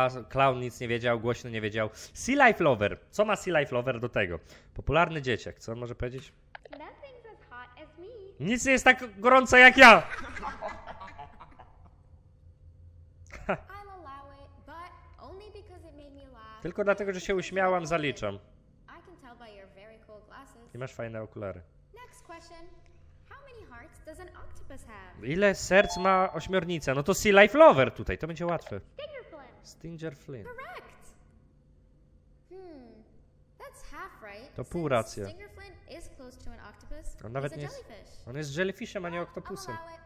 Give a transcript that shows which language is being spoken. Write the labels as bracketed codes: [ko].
[pl] Klaun nic nie wiedział, głośno nie wiedział. Sea Life Lover. Co ma Sea Life Lover do tego? Popularny dzieciak. Co on może powiedzieć? [en] Nothing's as hot as me. [pl] Nic nie jest tak gorące jak ja. [en] I'll allow it, but only because it made me laugh. [pl] Tylko dlatego, że się uśmiałam, zaliczam. [en] I can tell by your very cool glasses. [pl] I masz fajne okulary. [en] Next question. How many hearts does an octopus have? [pl] Ile serc ma ośmiornica? No to Sea Life Lover tutaj, to będzie łatwe. Stinger Flynn. Stinger Flynn. [en] Correct. That's half right. [pl] To pół racja. [en] Stinger Flynn is close to an octopus. [pl] On nawet nie jest. On jest jellyfishem, a nie oktopusem.